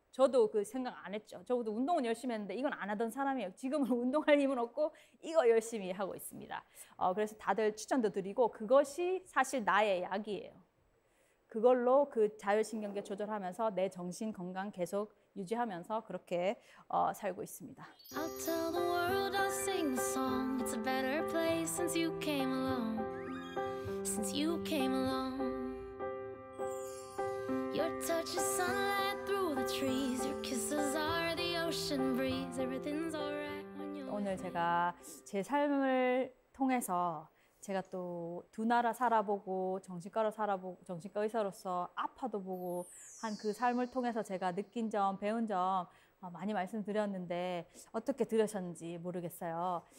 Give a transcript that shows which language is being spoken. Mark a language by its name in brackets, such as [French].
[Korean] 저도 그 생각 안 했죠. 저도 운동은 열심히 했는데 이건 안 하던 사람이에요. 지금은 운동할 힘은 없고 이거 열심히 하고 있습니다. 그래서 다들 추천도 드리고 그것이 사실 나의 약이에요. 그걸로 그 자율신경계 조절하면서 내 정신 건강 계속 유지하면서 그렇게 살고 있습니다. [English] I'll tell the world I'll sing the song. It's a better place since you came along. Since you came along. Your touch is sunlight through the trees. Your kisses are the ocean breeze. Everything's alright when you're. [Korean] 오늘 제가 제 삶을 통해서 제가 또 두 나라 살아보고 정신과 의사로서 아파도 보고 한 그 삶을 통해서 제가 느낀 점, 배운 점 많이 말씀드렸는데 어떻게 들으셨는지 모르겠어요.